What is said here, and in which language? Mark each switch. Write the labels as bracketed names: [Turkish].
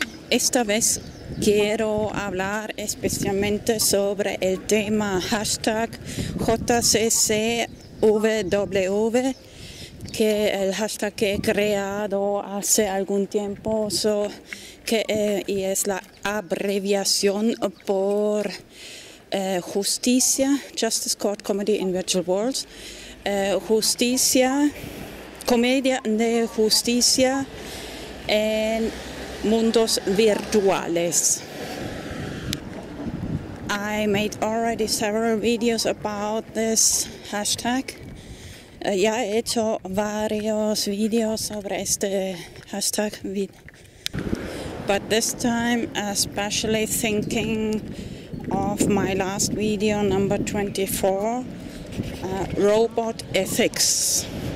[Spanish] Esta vez quiero hablar especialmente sobre el tema hashtag JCCVW, que el hashtag que he creado hace algún tiempo y es la abreviación por justicia, Justice Court Comedy in Virtual Worlds, justicia, comedia de justicia en mundos virtuales. [English] I made already several videos about this hashtag. [Spanish] Ya he hecho varios videos sobre este hashtag. [English] But this time, especially thinking of my last video, number 24, robot ethics.